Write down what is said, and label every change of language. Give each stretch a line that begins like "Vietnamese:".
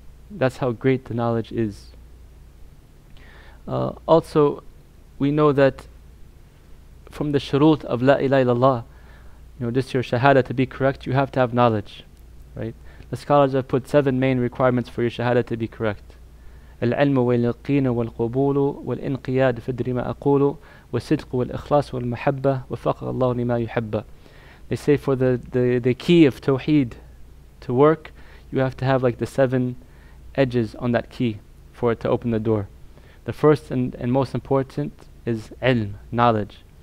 English: That's how great the knowledge is. Also, we know that from the shurut of La ilaha illallah, you know, just your shahada to be correct, you have to have knowledge, right? The scholars have put seven main requirements for your shahada to be correct.
Arabic: العلم واليقين والقبول والانقياد في الدري ما أقوله والصدق والإخلاص والمحبة وفقه الله لما يحب.
English: They say for the key of tawheed to work, you have to have like the seven edges on that key for it to open the door. The first and most important is ilm, knowledge.